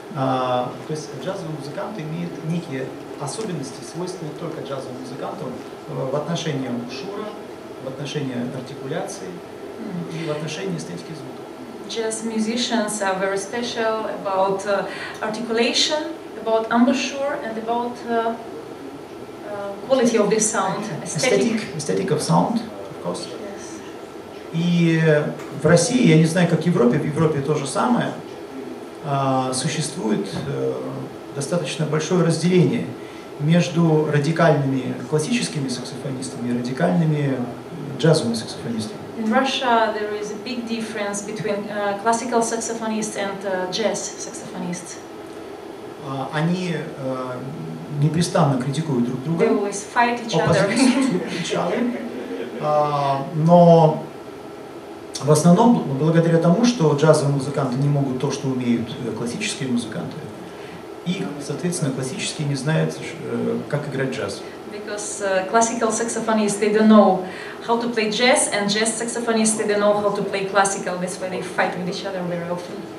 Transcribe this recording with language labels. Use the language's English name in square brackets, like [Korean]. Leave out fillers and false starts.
[Russian] то есть джазовые музыканты имеют некие особенности, свойственные только джазовым музыкантам, в отношении шура, в отношении артикуляции и в отношении эстетики звука. [English] Jazz musicians are very special about articulation, about embouchure and about quality of the sound, aesthetic. Aesthetic of sound, of course. Yes. [Russian] И в России, я не знаю, как в Европе то же самое. Существует достаточно большое разделение между радикальными классическими саксофонистами и радикальными джазовыми саксофонистами. [English] In Russia there is a big difference between classical saxophonist and jazz saxophonist. [Russian] Они непрестанно критикуют друг друга. [English] They always fight each other. [Russian] Но в основном, благодаря тому, что джазовые музыканты не могут то, что умеют классические музыканты, и, соответственно, классические не знают, как играть джаз. [English] Because classical saxophonists, they don't know how to play jazz, and jazz saxophonists, they don't know how to play classical, that's why they fight with each other very often.